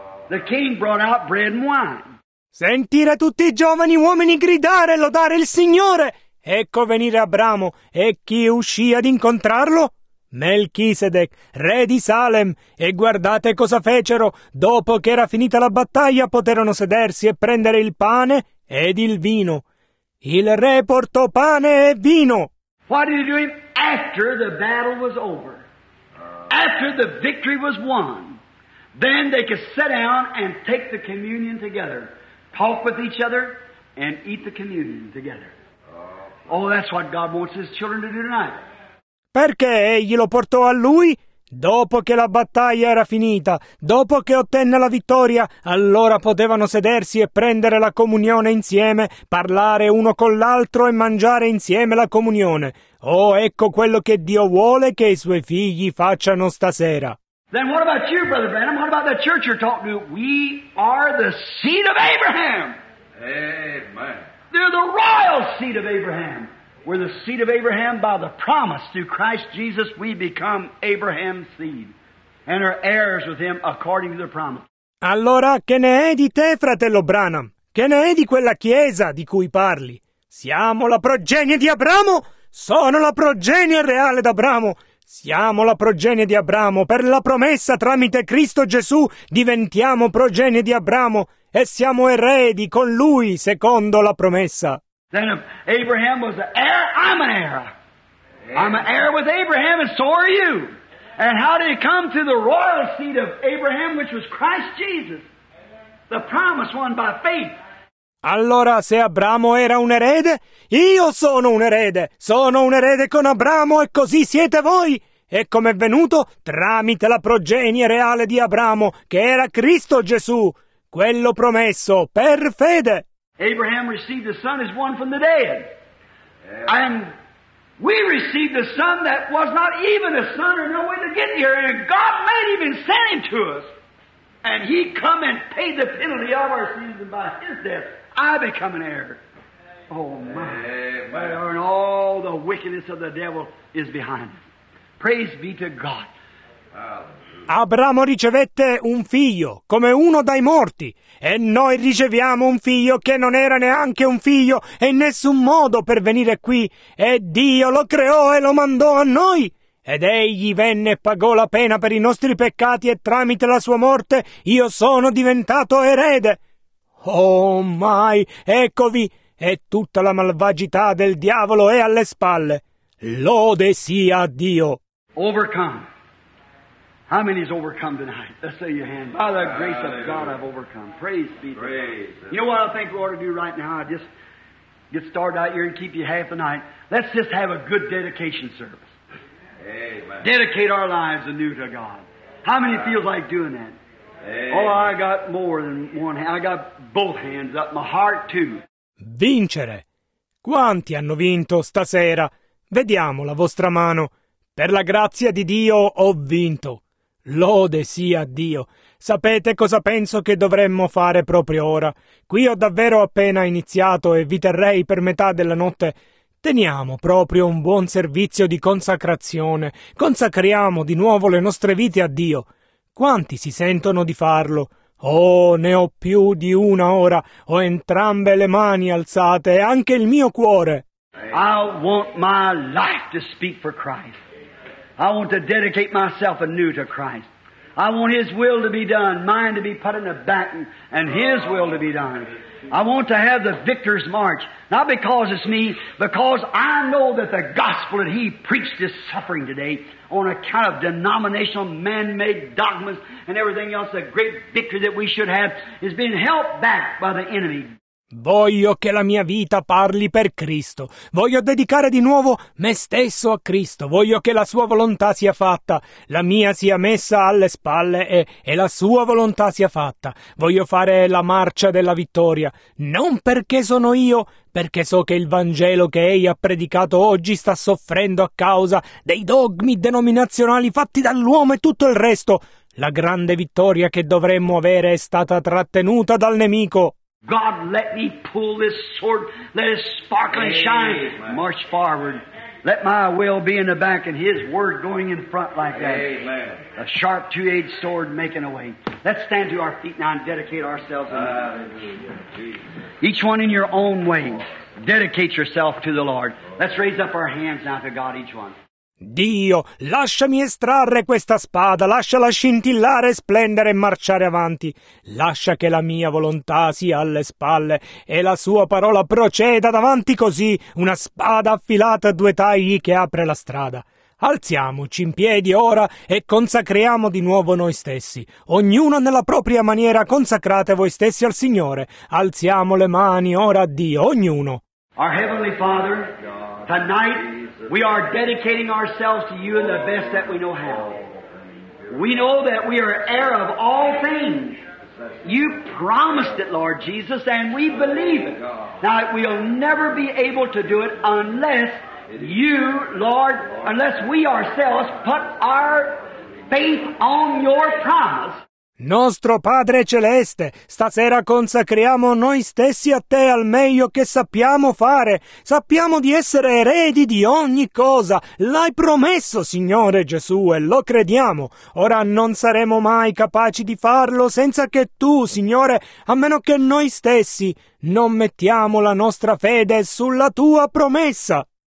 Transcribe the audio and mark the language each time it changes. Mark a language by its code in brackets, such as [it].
[en] The king brought out bread and wine. [it] Sentire tutti i giovani uomini gridare e lodare il Signore. Ecco venire Abramo. E chi uscì ad incontrarlo? Melchisedec, re di Salem. E guardate cosa fecero. Dopo che era finita la battaglia, poterono sedersi e prendere il pane ed il vino. Il re portò pane e vino. [en] What did he do after the battle was over? After the victory was won, then they could sit down and take the communion together, talk with each other, and eat the communion together. Oh, that's what God wants his children to do tonight. [it] Perché egli lo portò a lui? Dopo che la battaglia era finita, dopo che ottenne la vittoria, allora potevano sedersi e prendere la comunione insieme, parlare uno con l'altro e mangiare insieme la comunione. Oh, ecco quello che Dio vuole che i suoi figli facciano stasera. [en] Then what about you, Brother Branham? What about the church you're talking to? We are the seed of Abraham. Amen. They're the royal seed of Abraham. We're the seed of Abraham by the promise through Christ Jesus. We become Abraham's seed and are heirs with him according to the promise. [it] Allora, che ne è di te, fratello Branham? Che ne è di quella chiesa di cui parli? Siamo la progenie di Abramo? Sono la progenie reale d'Abramo. Siamo la progenie di Abramo. Per la promessa tramite Cristo Gesù diventiamo progenie di Abramo e siamo eredi con lui secondo la promessa. [en] Then if Abraham was an heir, I'm an heir. I'm an heir with Abraham, and so are you. And how did he come to the royal seed of Abraham, which was Christ Jesus, the promised one by faith? [it] Allora, se Abramo era un erede, io sono un erede. Sono un erede con Abramo, e così siete voi. E come è venuto? Tramite la progenie reale di Abramo, che era Cristo Gesù, quello promesso per fede. [en] Abraham received the Son as one from the dead. And we received the Son that was not even a son or no way to get here. And God made him and sent him to us. And he come and paid the penalty of our sins, and by his death I become an heir. Oh my. Amen. And all the wickedness of the devil is behind us. Praise be to God. [it] Abramo ricevette un figlio, come uno dai morti, e noi riceviamo un figlio che non era neanche un figlio e in nessun modo per venire qui, e Dio lo creò e lo mandò a noi, ed egli venne e pagò la pena per i nostri peccati e tramite la sua morte io sono diventato erede. Oh mai, eccovi, e tutta la malvagità del diavolo è alle spalle. Lode sia Dio. [en] Overcome. How many has overcome tonight? Let's say your hand. By the grace of God, I've overcome. Praise be to God. You know what I think we ought to do right now? I just get started out here and keep you half the night. Let's just have a good dedication service. Amen. Dedicate our lives anew to God. How many feels like doing that? Amen. Oh, I got more than one hand. I got both hands up. My heart too. [it] Vincere. Quanti hanno vinto stasera? Vediamo la vostra mano. Per la grazia di Dio ho vinto. Lode sia Dio. Sapete cosa penso che dovremmo fare proprio ora? Qui ho davvero appena iniziato e vi terrei per metà della notte. Teniamo proprio un buon servizio di consacrazione. Consacriamo di nuovo le nostre vite a Dio. Quanti si sentono di farlo? Oh, ne ho più di una ora. Ho entrambe le mani alzate e anche il mio cuore. [en] I want my life to speak for Christ. I want to dedicate myself anew to Christ. I want His will to be done, mine to be put in the back, and His will to be done. I want to have the victor's march. Not because it's me, because I know that the gospel that he preached is suffering today on account of denominational man-made dogmas and everything else. The great victory that we should have is being held back by the enemy. [it] Voglio che la mia vita parli per Cristo. Voglio dedicare di nuovo me stesso a Cristo. Voglio che la sua volontà sia fatta, la mia sia messa alle spalle e la sua volontà sia fatta. Voglio fare la marcia della vittoria, non perché sono io, perché so che il Vangelo che egli ha predicato oggi sta soffrendo a causa dei dogmi denominazionali fatti dall'uomo e tutto il resto. La grande vittoria che dovremmo avere è stata trattenuta dal nemico. [en] God, let me pull this sword. Let it sparkle and shine. March forward. Let my will be in the back and His word going in front like that. Amen. A sharp two-edged sword making a way. Let's stand to our feet now and dedicate ourselves. Each one in your own way. Dedicate yourself to the Lord. Let's raise up our hands now to God, each one. [it] Dio, lasciami estrarre questa spada, lasciala scintillare, splendere e marciare avanti. Lascia che la mia volontà sia alle spalle e la sua parola proceda davanti così, una spada affilata a due tagli che apre la strada. Alziamoci in piedi ora e consacriamo di nuovo noi stessi. Ognuno nella propria maniera consacrate voi stessi al Signore. Alziamo le mani ora a Dio, ognuno. [en] Our Heavenly Father, tonight we are dedicating ourselves to you in the best that we know how. We know that we are heir of all things. You promised it, Lord Jesus, and we believe it. Now, we'll never be able to do it unless you, Lord, unless we ourselves put our faith on your promise. [it] Nostro Padre Celeste, stasera consacriamo noi stessi a Te al meglio che sappiamo fare. Sappiamo di essere eredi di ogni cosa. L'hai promesso, Signore Gesù, e lo crediamo. Ora non saremo mai capaci di farlo senza che Tu, Signore, a meno che noi stessi non mettiamo la nostra fede sulla Tua promessa.